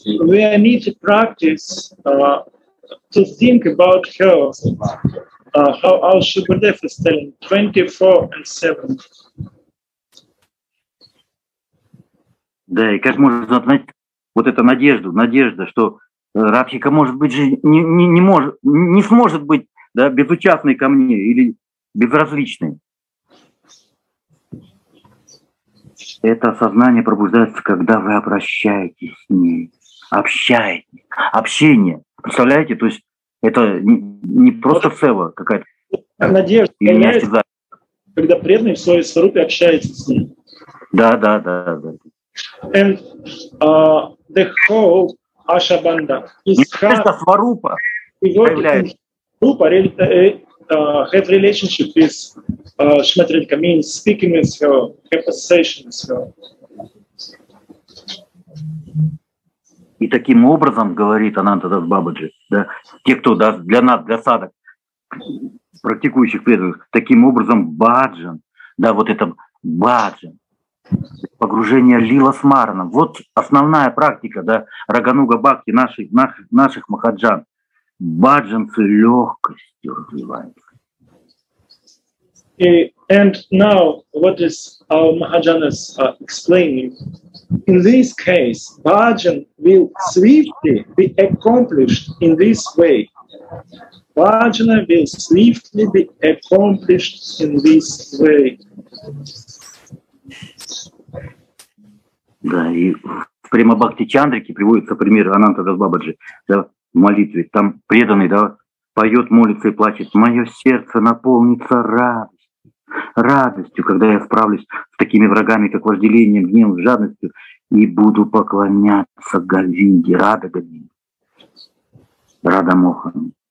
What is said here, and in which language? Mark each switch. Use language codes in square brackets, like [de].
[en] We need to practice to think about her, how our Shukadev is telling, 24/7. [ru] Да, и как можно знать вот эту надежду, что Рабхика может быть же не сможет быть, да, безучастной ко мне или безразличной. Это сознание пробуждается, когда вы обращаетесь с ней. Общение. Представляете? То есть это не просто сева какая-то. Надежда. И меня, когда преданный в своей сварупе общается с ним. Да. [en] And the whole Ашабанда. [ru] Это сварупа появляется. [en] Have relationship with Шримати Радхика, means speaking with her, have association with her. [ru] И таким образом, говорит Ананта Дас Бабаджи, да, те, кто, да, для нас, для садок, практикующих преданных, таким образом баджан, да, вот это баджан, погружение лила-смарана, вот основная практика, да, рагануга-бхакти наших махаджан, баджан с легкостью развивается. [en] And now, what is our Mahajanas explaining? In this case, bhajan will swiftly be accomplished in this way. Bhajana will swiftly be accomplished in this way. [ru] Да, и в Према-бхакти-чандрике приводится пример Ананта Дас Бабаджи, да, в молитве. Там преданный, да, поет, молится и плачет. Мое сердце наполнится радостью, когда я справлюсь с такими врагами, как вожделением, гневом, жадностью, и буду поклоняться Говинде, Рада Говинде, Рада Мохану.